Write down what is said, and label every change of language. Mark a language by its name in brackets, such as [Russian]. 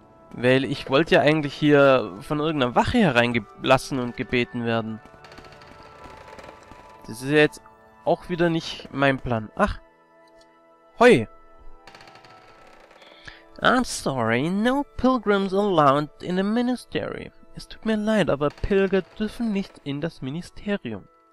[German] Weil ich wollte ja eigentlich hier von irgendeiner Wache hereingelassen und gebeten werden. Das ist ja jetzt auch wieder nicht mein Plan. Ach. Hoi. [English] I'm sorry, no pilgrims allowed in the ministry. [German] Es tut mir leid, aber Pilger dürfen nicht in das Ministerium.